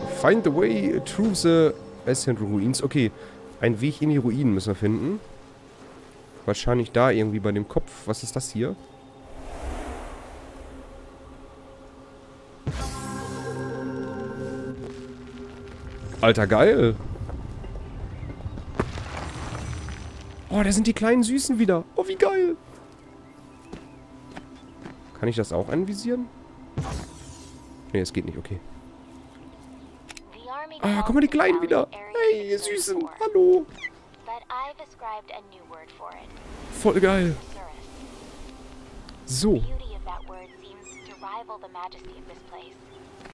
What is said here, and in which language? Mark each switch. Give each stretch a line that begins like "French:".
English: Find the way through the Ascent Ruins.
German: Okay, einen Weg in die Ruinen müssen wir finden. Wahrscheinlich da irgendwie bei dem Kopf. Was ist das hier? Alter, geil. Oh, da sind die kleinen Süßen wieder. Oh, wie geil. Kann ich das auch anvisieren? Nee, es geht nicht. Okay. Ah, guck mal, die Kleinen wieder. Hey, ihr Süßen. Hallo.
English: But I I've ascribed a new word for it.
German: Voll geil. So.
English: The beauty of that word seems to rival the majesty of this place.